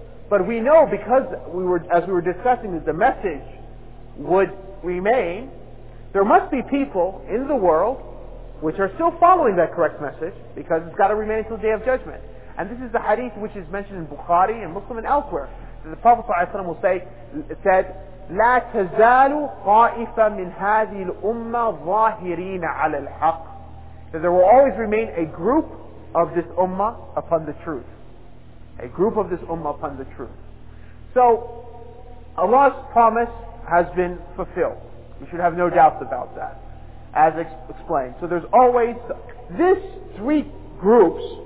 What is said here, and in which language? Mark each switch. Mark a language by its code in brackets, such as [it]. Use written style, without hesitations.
[en] But we know because we were discussing that the message would remain, there must be people in the world which are still following that correct message because it's got to remain until the day of judgment. And this is the hadith which is mentioned in Bukhari and Muslim and elsewhere. The Prophet ﷺ will say, said, [ar] لَا تَزَالُ قَائِفًا مِّنْ هَذِي الْأُمَّةِ ظَاهِرِينَ عَلَى الْحَقِّ. [en] That there will always remain a group of this ummah upon the truth. A group of this ummah upon the truth. So Allah's promise has been fulfilled. You should have no doubts about that, as explained. So there's always this three groups.